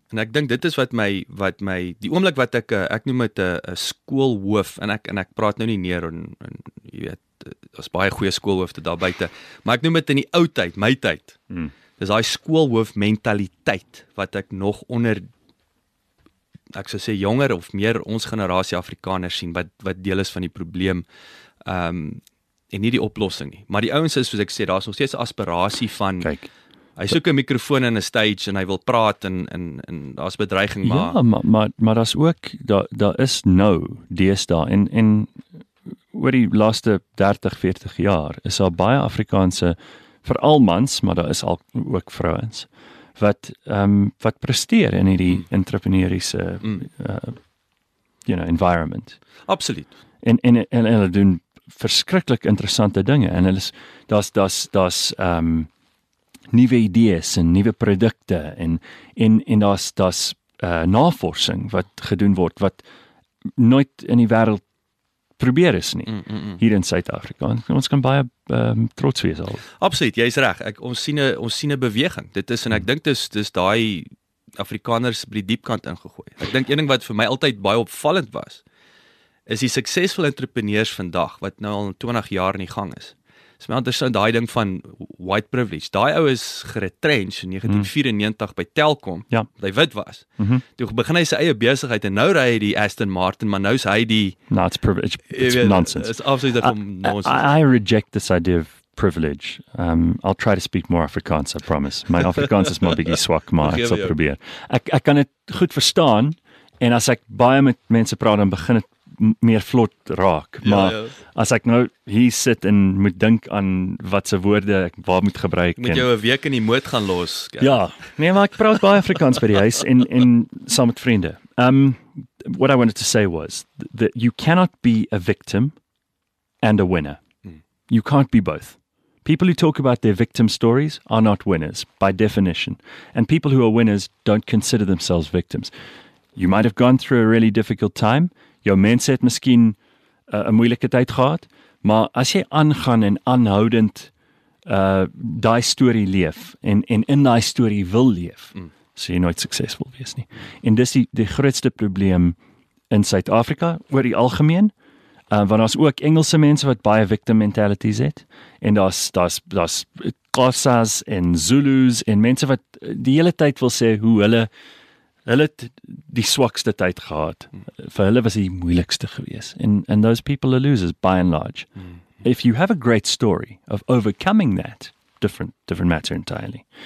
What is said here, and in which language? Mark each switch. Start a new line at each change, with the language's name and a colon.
Afrikaans: En ek dink dit is wat my die oomblik wat ek noem het 'n skoolhoof, en ek praat nou nie neer, en jy weet, daar is baie goeie skoolhoofde daar buiten, maar ek noem het in die ou tyd, my tyd, is die skoolhoof mentaliteit, wat ek nog onder, ek sou sê, jonger of meer ons generasie Afrikaners sien, wat deel is van die probleem, en nie die oplossing nie. Maar die ouens is, soos ek sê, daar is nog steeds aspirasie van, kyk, hy soek een mikrofoon in een stage, en hy wil praat, en daar is bedreiging, maar... Ja, maar daar is ook, daar is nou, dees daar, en oor die laaste 30, 40 jaar, is daar baie Afrikaanse, vooral mans, maar daar is al ook vrouens, wat presteer in die entrepreneuriese environment. Absoluut. En hulle doen verskriklik interessante dinge, en hulle is, daar's nuwe idees en nuwe produkte, en daar's navorsing wat gedoen word, wat nooit in die wêreld probeer is nie, hier in Suid-Afrika. Ons kan baie trots wees al. Absoluut, jy is reg. Ons sien 'n beweging. Dit is, en ek dink dis daai Afrikaners by die diepkant ingegooi. Ek dink een ding wat vir my altyd baie opvallend was, is die suksesvolle entrepreneurs vandag, wat nou al 20 jaar in die gang is. Is my interessant, daai ding van white privilege. Daai ou is geretrench in 1994 by Telkom, wat hy wit was. Mm-hmm. Toe begin hy sy eie besigheid, en nou ry hy die Aston Martin, maar nou is hy die...
English: No, it's privilege. It's nonsense. It's absolutely nonsense. I reject this idea of privilege. I'll try to speak more Afrikaans, I promise.
Afrikaans: My Afrikaans is my biggie swak, maar ek sal probeer. Ek kan het goed verstaan, en as ek baie met mense praat, dan begin het meer vlot raak, maar as ek nou hier sit en moet dink aan wat se woorde ek waar moet gebruik. Moet jou 'n week in die moot gaan los. Kijk. Ja, nee, maar ek praat baie Afrikaans by die huis en saam met vriende.
English: What I wanted to say was that you cannot be a victim and a winner. You can't be both. People who talk about their victim stories are not winners, by definition. And people who are winners don't consider themselves victims. You might have gone through a really difficult time.
Afrikaans: Jou mense het miskien 'n moeilike tyd gehad, maar as jy aangaan en aanhoudend daai story leef, en in daai story wil leef, sal jy nooit suksesvol wees nie. En dis die grootste probleem in Suid-Afrika, oor die algemeen, want daar's ook Engelse mense wat baie victim mentalities het, en daar's Xhosas en Zulus en mense wat die hele tyd wil sê hoe hulle het die swakste tyd gehad. Vir hulle was die moeilikste gewees.
English: And those people are losers, by and large. If you have a great story of overcoming that, different matter entirely.